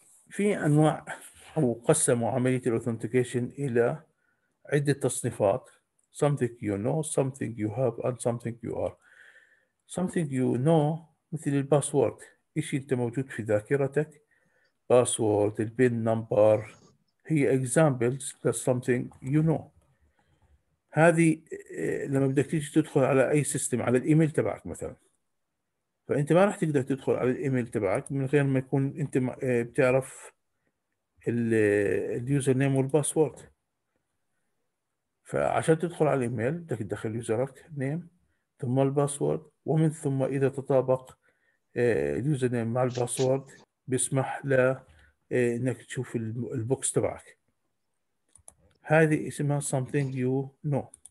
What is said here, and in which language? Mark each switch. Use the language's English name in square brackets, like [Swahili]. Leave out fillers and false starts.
[Arabic] في انواع او قسموا عملية الاوثنتيكيشن الى عدة تصنيفات: [English] something you know, something you have, and something you are. Something you know مثل الباسورد، [Arabic] إشي أنت موجود في ذاكرتك، [English] Password, البين number, هي examples of something you know. [Arabic] هذه لما بدك تيجي تدخل على أي سيستم، على الإيميل تبعك مثلاً، فأنت ما راح تقدر تدخل على الإيميل تبعك من غير ما يكون أنت بتعرف اليوزر نيم والباسورد. فعشان تدخل على الإيميل بدك تدخل يوزرك نيم ثم الباسورد، ومن ثم إذا تطابق اليوزر نيم مع الباسورد بيسمح ل إنك تشوف البوكس تبعك. هذه اسمها [English] something you know.